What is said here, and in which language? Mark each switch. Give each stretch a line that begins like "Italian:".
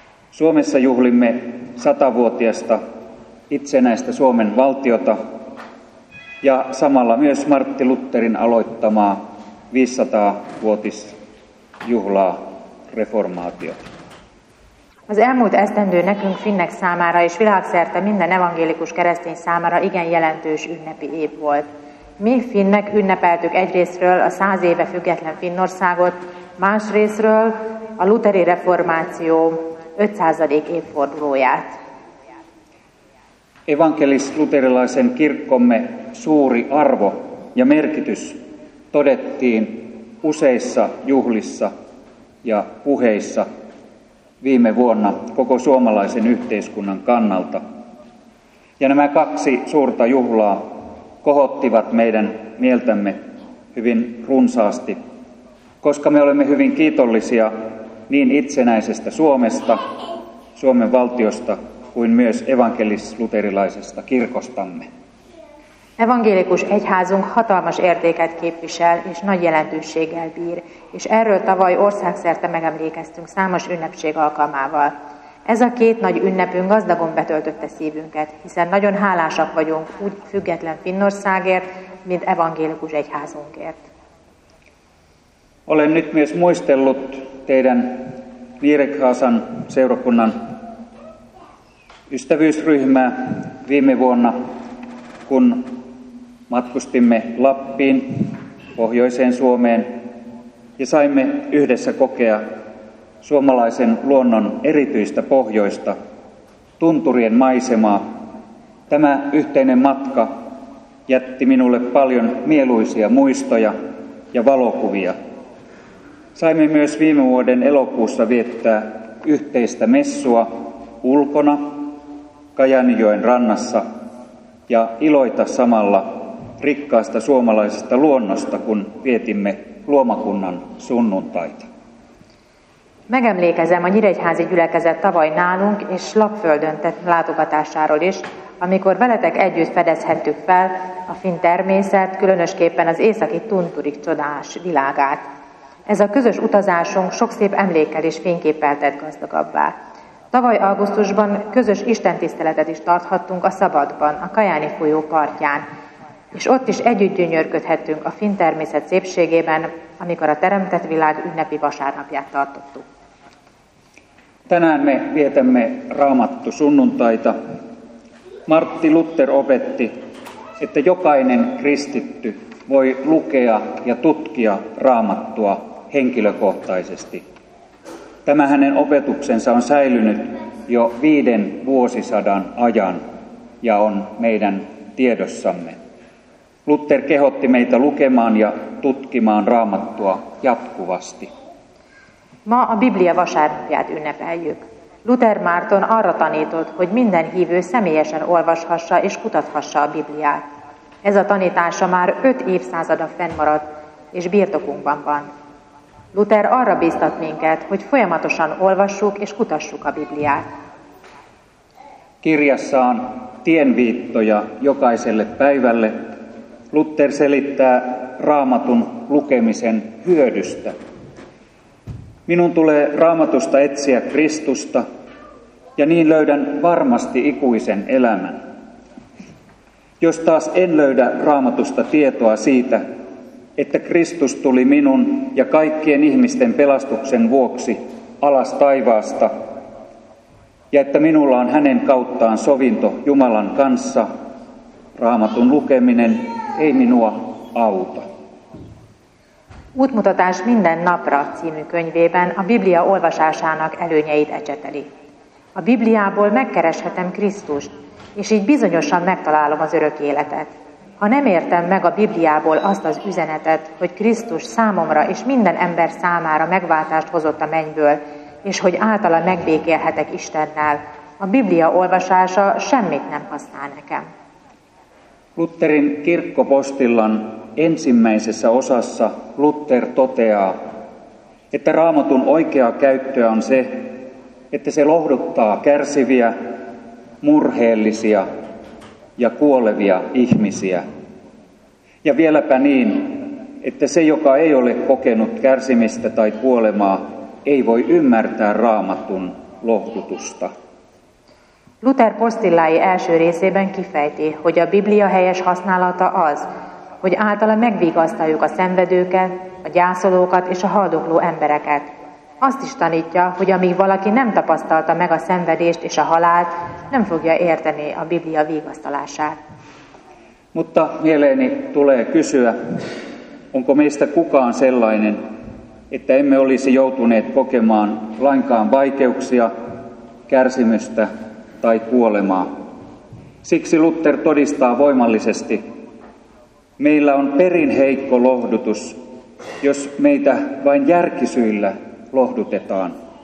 Finnish: Suomessa juhlimme 100-vuotiasta itsenäistä Suomen valtiota ja samalla myös Martti Lutherin aloittamaa 500-vuotisjuhlaa reformaatiota.
Hungarian: Az elmúlt esztendő nekünk finnek számára és világszerte minden evangélikus keresztény számára igen jelentős ünnepi év volt. Mi finnek ünnepeltük egyrésztről a 100 éve független Finnországot, másrésztről a luteri reformáció 500. évfordulóját.
Finnish: Evankelis-luterilaisen kirkkomme suuri arvo ja merkitys todettiin useissa juhlissa ja puheissa. Viime vuonna koko suomalaisen yhteiskunnan kannalta. Ja nämä kaksi suurta juhlaa kohottivat meidän mieltämme hyvin runsaasti, koska me olemme hyvin kiitollisia niin itsenäisestä Suomesta, Suomen valtiosta, kuin myös evankelis-luterilaisesta kirkostamme.
Hungarian: Evangélikus egyházunk hatalmas értéket képvisel és nagy jelentőséggel bír, és erről tavaly országszerte megemlékeztünk számos ünnepség alkalmával. Ez a két nagy ünnepünk gazdagon betöltötte szívünket, hiszen nagyon hálásak vagyunk úgy független Finnországért, mint evangélikus egyházunkért.
Finnish: Olen nyt myös muistellut teidän Niirekaasan seurakunnan ystävyysryhmää viime vuonna, kun matkustimme Lappiin, pohjoiseen Suomeen ja saimme yhdessä kokea suomalaisen luonnon erityistä pohjoista, tunturien maisemaa. Tämä yhteinen matka jätti minulle paljon mieluisia muistoja ja valokuvia. Saimme myös viime vuoden elokuussa viettää yhteistä messua ulkona Kajaanijoen rannassa ja iloita samalla rikkaasta suomalaisesta luonnosta, kun vietimme luomakunnan sunnuntaita.
Hungarian: Megemlékezem a nyíregyházi gyülekezet tavaly nálunk és Lapföldön tett látogatásáról is, amikor veletek együtt fedezhettük fel a finn természet, különösképpen az északi Tunturik csodás világát. Ez a közös utazásunk sok szép emlékkel és fényképpel tett gazdagabbá. Tavaly augusztusban közös istentiszteletet is tarthattunk a Szabadban, a Kajáni folyó partján, és ott is együtt gyönyörködhettünk a finn természet szépségében, amikor a teremtett világ ünnepi vasárnapját tartottuk.
Finnish: Tänään me vietemme Raamattu sunnuntaita. Martti Luther opetti, että jokainen kristitty voi lukea ja tutkia Raamattua henkilökohtaisesti. Tämä hänen opetuksensa on säilynyt jo 5 vuosisadan ajan ja on meidän tiedossamme. Luther kehotti meitä lukemaan ja tutkimaan Raamattua jatkuvasti.
Hungarian: Ma a Biblia vasárnapját ünnepeljük. Luther Márton arra tanított, hogy minden hívő személyesen olvashassa és kutathassa a Bibliát. Ez a tanítása már 5 évszázada fennmaradt, és birtokunkban van. Luther arra bíztat minket, hogy folyamatosan olvassuk és kutassuk a Bibliát.
Finnish: Kirjassaan tienviittoja jokaiselle päivälle Luther selittää Raamatun lukemisen hyödystä. Minun tulee Raamatusta etsiä Kristusta, ja niin löydän varmasti ikuisen elämän. Jos taas en löydä Raamatusta tietoa siitä, että Kristus tuli minun ja kaikkien ihmisten pelastuksen vuoksi alas taivaasta, ja että minulla on hänen kauttaan sovinto Jumalan kanssa, Raamatun lukeminen ei minua auta.
Hungarian: Útmutatás minden napra című könyvében a Biblia olvasásának előnyeit ecseteli. A Bibliából megkereshetem Krisztust, és így bizonyosan megtalálom az örök életet. Ha nem értem meg a Bibliából azt az üzenetet, hogy Krisztus számomra és minden ember számára megváltást hozott a mennyből, és hogy általa megbékélhetek Istennel, a Biblia olvasása semmit nem használ nekem.
Finnish: Lutherin kirkkopostillan ensimmäisessä osassa Luther toteaa, että Raamatun oikea käyttöä on se, että se lohduttaa kärsiviä, murheellisia ja kuolevia ihmisiä. Ja vieläpä niin, että se, joka ei ole kokenut kärsimistä tai kuolemaa, ei voi ymmärtää Raamatun lohdutusta.
Hungarian: Luther postillái első részében kifejti, hogy a Biblia helyes használata az, hogy általa megvigasztaljuk a szenvedőket, a gyászolókat és a haldokló embereket. Azt is tanítja, hogy amíg valaki nem tapasztalta meg a szenvedést és a halált, nem fogja érteni a Biblia vigasztalását.
Finnish: Mutta mieleeni tulee kysyä, onko meistä kukaan sellainen, että emme olisi joutuneet kokemaan lainkaan vaikeuksia, kärsimystä tai kuolemaa. Siksi Luther todistaa voimallisesti, meillä on perin heikko lohdutus, jos meitä vain järkisyillä lohdutetaan.